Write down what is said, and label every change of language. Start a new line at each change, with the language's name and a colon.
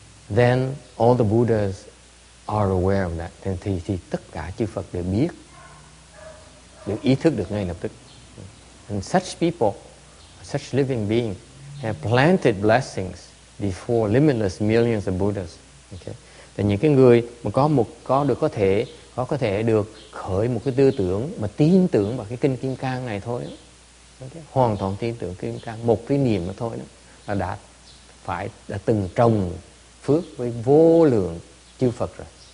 English: Then all the Buddhas are aware of that.
Vietnamese: Thì tất cả chư Phật đều biết, đều ý thức được ngay lập tức.
English: And such people, such living being have planted blessings before limitless millions of Buddhas. Okay.
Vietnamese: Thì những cái người mà có thể được khởi một cái tư tưởng mà tin tưởng vào cái kinh Kim Cang này thôi, okay. Hoàn toàn tin tưởng Kim Cang, một cái niềm mà thôi đó, là đã từng trồng phước với vô lượng chư Phật rồi.